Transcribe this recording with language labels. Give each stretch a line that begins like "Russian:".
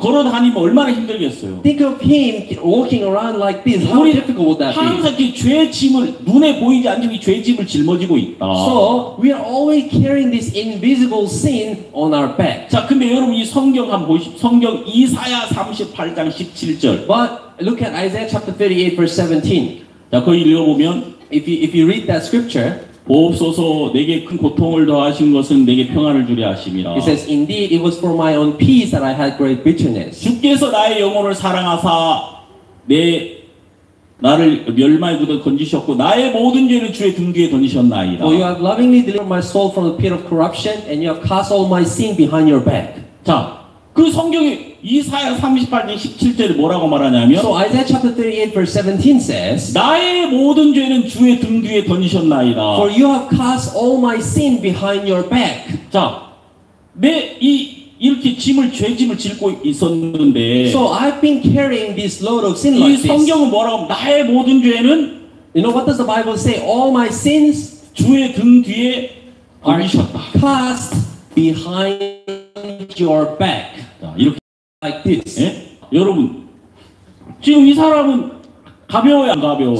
Korean: 걸어 다니면 얼마나 힘들겠어요.
English: Think of him walking around like this. How difficult would that be?
Korean: 항상 죄 짐을 눈에 보이지 않는 이 죄 짐을 짊어지고 있다.
English: So we are always carrying this invisible sin on our back.
Korean: 자, 근데 여러분 이 성경 한번 보십시오. 성경 이사야 38장 17절.
English: But look at Isaiah chapter 38 verse 17.
Korean: 자, 거기 읽어보면
English: if you read that scripture.
Korean: 보옵소서 내게 큰 고통을 더하신 것은 내게 평안을 주려 하심이라.
English: He says, indeed, it was for my own peace that I had great bitterness.
Korean: 주께서 나의 영혼을 사랑하사 나를 멸망으로 건지셨고 나의 모든 죄는 주의 등 뒤에 던지셨나이다.
English: For you have lovingly delivered my soul from the pit of corruption, and you have cast all my sin behind your back.
Korean: 자, 그 성경이 이사야 38장 17절에 뭐라고 말하냐면
English: So Isaiah chapter 38 verse 17 says
Korean: 나의 모든 죄는 주의 등 뒤에 던지셨나이다.
English: For you have cast all my sin behind your back.
Korean: 자, 내 이렇게 짐을 죄짐을 짊고 있었는데
English: So I've been carrying this load of sin like this.
Korean: 이 성경은 뭐라고 하면 나의 모든 죄는
English: You know what does the Bible say? All my sins
Korean: 주의 등 뒤에 던지셨다.
English: Are cast behind your back.
Korean: 자, 이렇게
English: Like this.
Korean: 예? 여러분, 지금 이 사람은 가벼워요, 안 가벼워요?